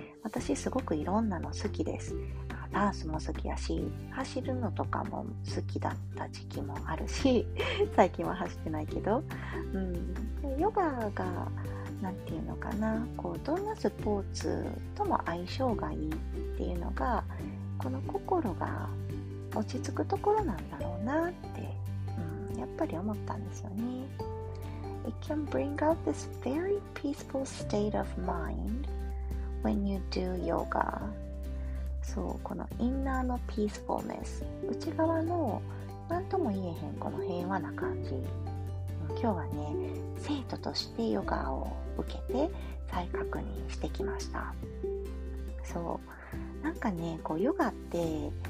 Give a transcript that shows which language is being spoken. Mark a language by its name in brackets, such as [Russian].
[Japanese] 私すごくいろんなの好きです。ダンスも好きやし、走るのとかも好きだった時期もあるし、最近は走ってないけど、ヨガが、なんていうのかな、こう、どんなスポーツとも相性がいいっていうのが、この心が落ち着くところなんだろうなって、やっぱり思ったんですよね。 [English] It can bring out this very peaceful state of mind when you do yoga. [Japanese] そう、このインナーのピースフォーネス、内側の何とも言えへんこの平和な感じ、今日はね、生徒としてヨガを受けて再確認してきました。そう、なんかね、こうヨガって